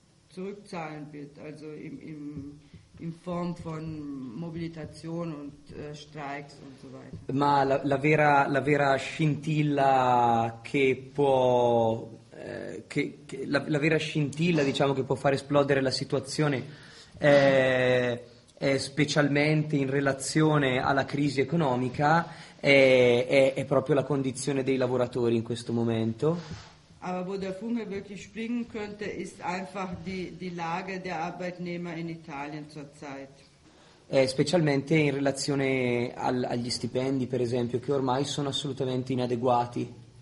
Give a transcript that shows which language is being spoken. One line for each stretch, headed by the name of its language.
German: zurückzahlen wird, also in Form von Mobilitation und Streiks und so weiter.
Italian: Ma la vera scintilla che può la vera scintilla, diciamo, che può far esplodere la situazione è specialmente in relazione alla crisi economica, è proprio la condizione dei lavoratori in questo momento.
German: Aber wo der Funke wirklich springen könnte, ist einfach die Lage der Arbeitnehmer in Italien zurzeit.
Italian: Specialmente in relazione agli stipendi, per esempio, che ormai sono assolutamente inadeguati.